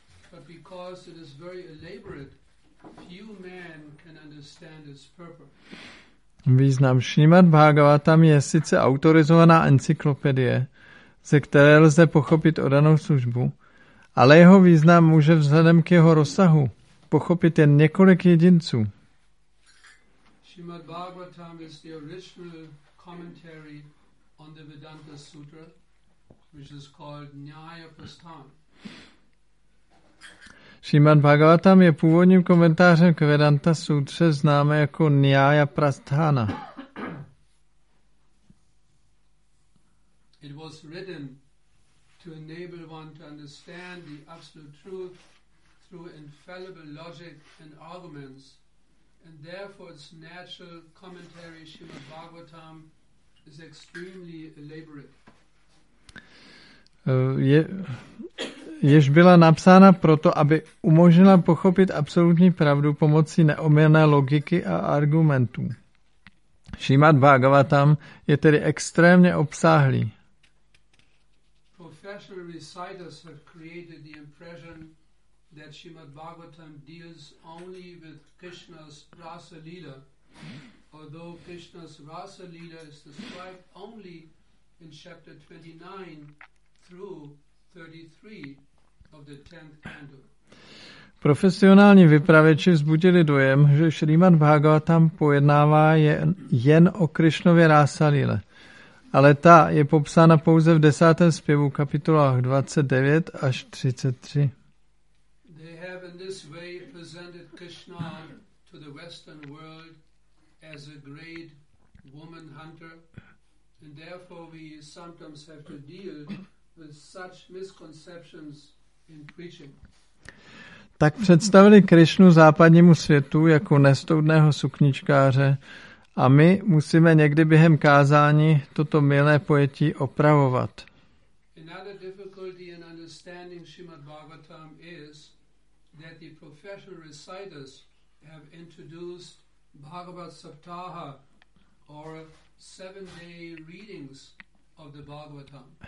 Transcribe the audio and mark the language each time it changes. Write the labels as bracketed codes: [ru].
[en] But because it is very elaborate, few men can understand its purpose. [cs] Význam Šrímad Bhagavatam je sice autorizovaná encyklopedie, ze které lze pochopit o danou službu, ale jeho význam může vzhledem k jeho rozsahu pochopit jen několik jedinců. [en] Šrímad Bhagavatam is the original commentary on the Vedanta Sutra, which is called Nyaya Prasthan. [cs] Srimad Bhagavatam je původním komentářem k Vedanta Sutře známé jako Nyaya Prasthana. [en] It was written to enable one to understand the absolute truth through infallible logic and arguments, and therefore its natural commentary Srimad Bhagavatam is extremely elaborate. [cs] Jež byla napsána proto, aby umožnila pochopit absolutní pravdu pomocí neomylné logiky a argumentů. Srimad Bhagavatam je tedy extrémně obsáhlý. [en] Professional reciters have created the impression that Srimad Bhagavatam deals only with Krishna's Rasa Lila, although Krishna's Rasa Lila is described only in chapter 29 through 33 of the 10th canto. [cs] Profesionální vypravěči vzbudili dojem, že Srimad Bhagavatam pojednává jen o Krišnově Rásalíle, ale ta je popsána pouze v 10. zpěvu kapitolách 29 až 33. [en] They have in this way presented Krishna to the western world as a great woman hunter, and therefore we sometimes have to deal with such misconceptions in preaching. [cs] Tak představili Krišnu západnímu světu jako nestoudného sukničkáře a my musíme někdy během kázání toto mylné pojetí opravovat. [en] Another difficulty in understanding Srimad Bhagavatam is that the professional reciters have introduced Bhagavat Saptaha or 7-day readings of the Bhagavatam.